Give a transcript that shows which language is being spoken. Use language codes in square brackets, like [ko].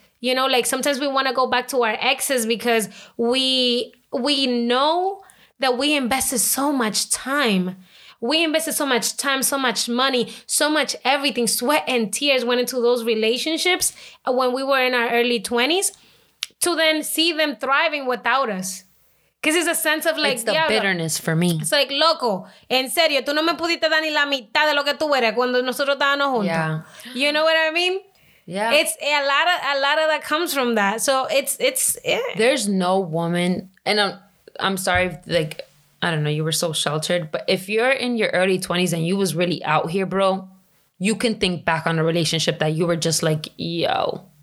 [en] You know, like sometimes we want to go back to our exes because we know that we invested so much time. We invested so much time, so much money, so much everything, sweat and tears went into those relationships when we were in our early 20s to then see them thriving without us. Because it's a sense of like... It's the bitterness for me. [es] It's like, loco, en serio, tú no me pudiste dar ni la mitad de lo que tú eres cuando nosotros estábamos juntos. [en] Yeah. You know what I mean? Yeah. It's a lot of that comes from that. So it's there's no woman, and I'm sorry, like, I don't know, you were so sheltered, but if you're in your early 20s and you was really out here, bro, you can think back on a relationship that you were just like, yo.